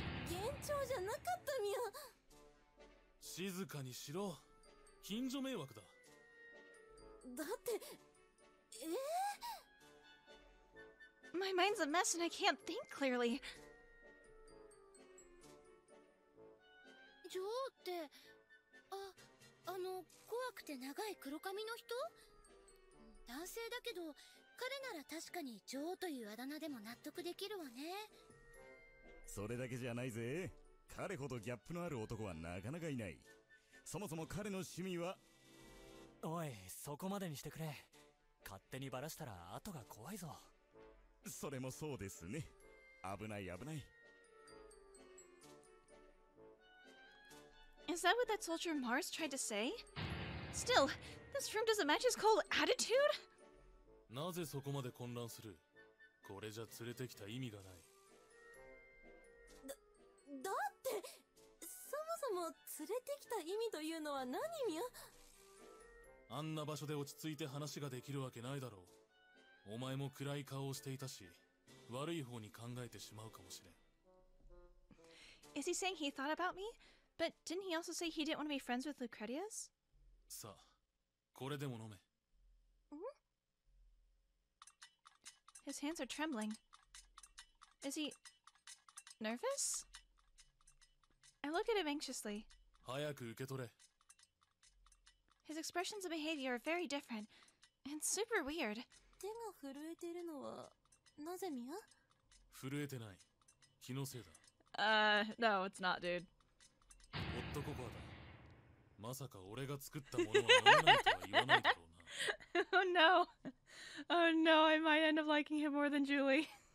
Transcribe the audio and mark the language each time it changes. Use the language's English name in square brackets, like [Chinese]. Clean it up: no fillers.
[Japanese] Genchou ja nakatta mia! 静かにしろ。近所迷惑だ。だって、 [English] My mind's a mess and I can't think clearly. [Japanese] 女王って、怖くて長い黒髪の人？男性だけど、彼なら確かに女王というあだ名でも納得できるわね。それだけじゃないぜ。彼ほどギャップのある男はなかなかいない。そもそも彼の趣味は。おい、そこまでにしてくれ。勝手にバラしたら後が怖いぞ。それもそうですね。危ない危ない。 [English] Is that what that soldier Mars tried to say? Still, this room doesn't match his cold attitude? [Japanese] なぜそこまで混乱する？これじゃ連れてきた意味がない。だって、そもそも連れてきた意味というのは何みゃ？あんな場所で落ち着いて話ができるわけないだろう。お前も暗い顔をしていたし、悪い方に考えてしまうかもしれん。 [English] Is he saying he thought about me? But didn't he also say he didn't want to be friends with Lucretius? [Japanese] さあ、これでも飲め。ん？ [English] His hands are trembling. Is he nervous? I look at him anxiously. [Japanese] 早く受け取れ。 [English] His expressions and behavior are very different and super weird. [Japanese] 手が震えてるのはなぜみや？震えてない。気のせいだ。 [English] No, it's not, dude. [Japanese] ホットココアだ。まさか俺が作ったものは飲めないとは言わないだろうな。 [English] Oh no. Oh no, I might end up liking him more than Julie.